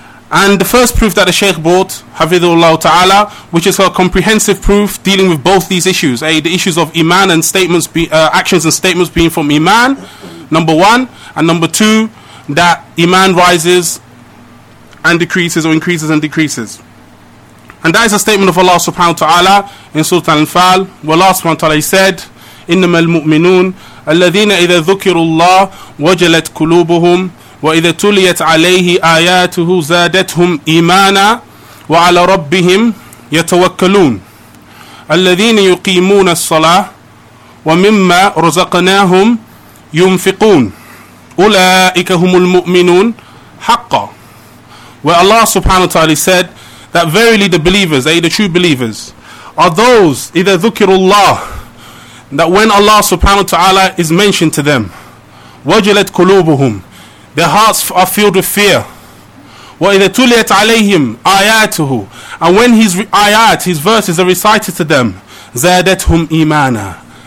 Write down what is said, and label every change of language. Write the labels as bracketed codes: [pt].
[en] And the first proof that the Shaykh brought, Hafidhullah Ta'ala, which is a comprehensive proof dealing with both these issues, the issues of iman and statements, actions and statements being from iman, number one, and number two, that iman rises and decreases, or increases and decreases. And that is a statement of Allah Subhanahu Wa Ta'ala in Surah Al-Anfal, where Allah Subhanahu Wa Ta'ala said, [ar] إنما المؤمنون الذين إذا ذكروا الله وجلت قلوبهم وإذا تليت عليه آياته زادتهم إيمانا وعلى ربهم يتوكلون الذين يقيمون الصلاة ومما رزقناهم ينفقون أولئك هم المؤمنون حقا. [en] Where Allah subhanahu wa ta'ala said that verily the believers, the true believers, are those [ar] إذا ذكروا الله, [en] that when Allah subhanahu wa ta'ala is mentioned to them, [ar] وَجَلَتْ قُلُوبُهُمْ, [en] their hearts are filled with fear, [ar] وَإِذَا تُلِيَتْ عَلَيْهِمْ آيَاتُهُ, [en] and when his ayat, his verses are recited to them, [ar] زَادَتْهُمْ إِيمَانًا,